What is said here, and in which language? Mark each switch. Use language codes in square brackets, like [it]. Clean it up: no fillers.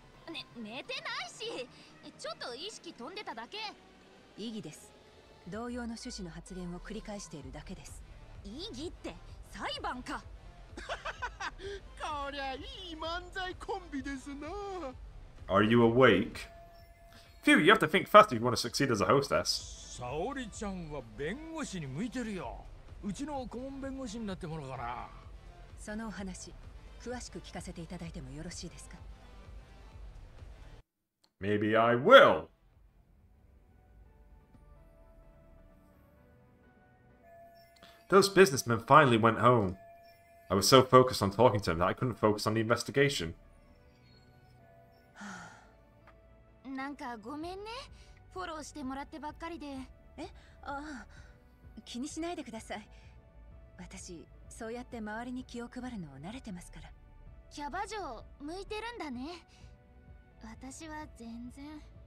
[ja] 寝てないし、ちょっと意識飛んでただけ。意義です。同様の趣旨の発言を繰り返しているだけです。異議って裁判か。こりゃいい漫才コンビですな。 [en] Are you awake? Phew, you have to think fast if you want to succeed as a hostess. [ja] Saori-chan は弁護士に向いてるよ。うちの顧問弁護士になってもらうかな。そのお話、詳しく聞かせていただいてもよろしいですか？ [en] Maybe I will. Those businessmen finally went home. I was so focused on talking to them that I couldn't focus on the investigation. [ja] なんかごめんね。フォローしてもらってばっかりで。え？ああ、気にしないでください。私、そうやって周りに気を配るのを慣れてますから。キャバ嬢、向いてるんだね。私は全然。